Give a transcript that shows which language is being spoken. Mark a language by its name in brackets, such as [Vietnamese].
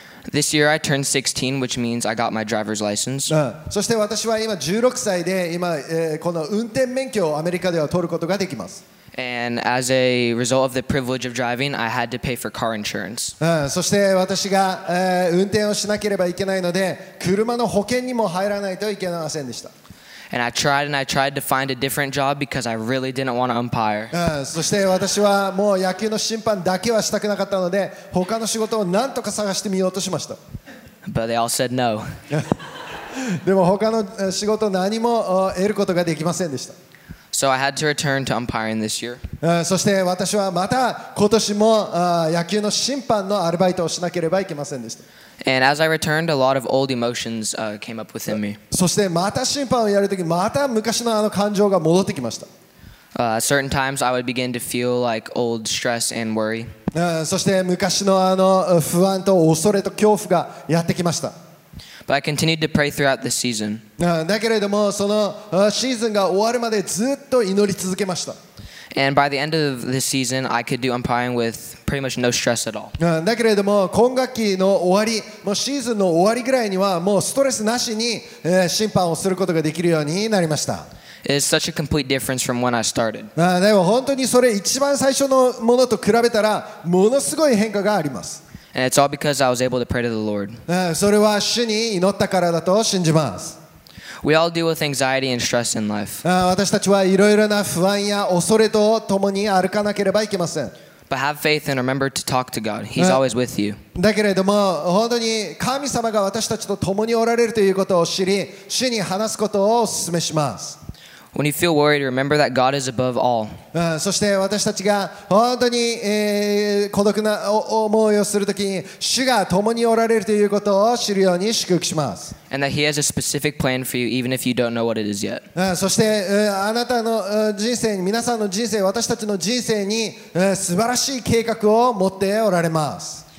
[English] This year I turned 16, which means I got my driver's license. [Japanese] そして私は今16歳で今この運転免許をアメリカでは取ることができます。 [English] And as a result of the privilege of driving, I had to pay for car insurance. [Japanese] そして私が運転をしなければいけないので車の保険にも入らないといけませんでした。 [English] And I tried and I tried to find a different job because I really didn't want to umpire. [Japanese] そして私はもう野球の審判だけはしたくなかったので他の仕事を何とか探してみようとしました。 [English] But they all said no. [Japanese] でも他の仕事何も得ることができませんでした。 [English] So I had to return to umpiring this year. [Japanese] そして私はまた今年も野球の審判のアルバイトをしなければいけませんでした。 [English] And as I returned, a lot of old emotions came up within me. [Japanese] そしてまた審判をやるとき、また昔のあの感情が戻ってきました。 [English] Certain times I would begin to feel like old stress and worry. [Japanese] そして昔のあの不安と恐れと恐怖がやってきました。 [English] But I continued to pray throughout this season. [Japanese] だけれどもそのシーズンが終わるまでずっと祈り続けました。 [English] And by the end of this season, I could do umpiring with pretty much no stress at all. [Japanese] だけれども今学期の終わり、もうシーズンの終わりぐらいにはもうストレスなしに審判をすることができるようになりました。 [English] It's such a complete difference from when I started. [Japanese] でも本当にそれ一番最初のものと比べたらものすごい変化があります。 [English] And it's all because I was able to pray to the Lord. [Japanese] それは主に祈ったからだと信じます。 [English] We all deal with anxiety and stress in life. [Japanese] 私たちはいろいろな不安や恐れと共に歩かなければいけません。 [English] But have faith and remember to talk to God. He's always with you. [Japanese] だけれども本当に神様が私たちと共におられるということを知り、主に話すことをお勧めします。 [English] When you feel worried, remember that God is above all. [Japanese] そして私たちが本当に孤独な思いをするときに、主が共におられるということを知るように祝福します。 [English] And that He has a specific plan for you, even if you don't know what it is yet. [Japanese] そしてあなたの人生、皆さんの人生、私たちの人生に素晴らしい計画を持っておられます。